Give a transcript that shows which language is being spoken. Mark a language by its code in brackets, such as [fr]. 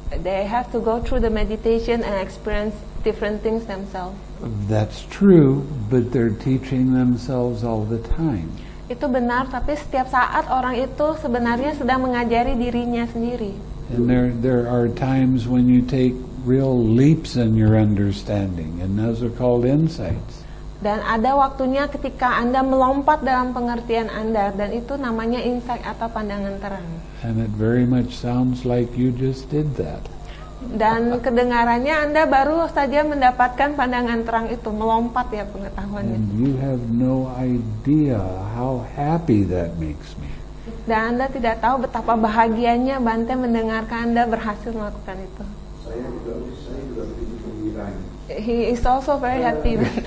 [en] They have to go through the meditation and experience different things themselves. That's true, but they're teaching themselves all the time. [id] Itu benar, tapi setiap saat orang itu sebenarnya sedang mengajari dirinya sendiri. [en] And there are times when you take real leaps in your understanding, and those are called insights. [id] Dan ada waktunya ketika Anda melompat dalam pengertian Anda, dan itu namanya insight atau pandangan terang. [en] And it very much sounds like you just did that. [id] Dan kedengarannya Anda baru saja mendapatkan pandangan terang itu, melompat ya pengetahuannya. [en] And you have no idea how happy that makes me. [id] Dan Anda tidak tahu betapa bahagianya Bante mendengarkan Anda berhasil melakukan itu. Saya juga begitu gembira. [en] He is also very happy.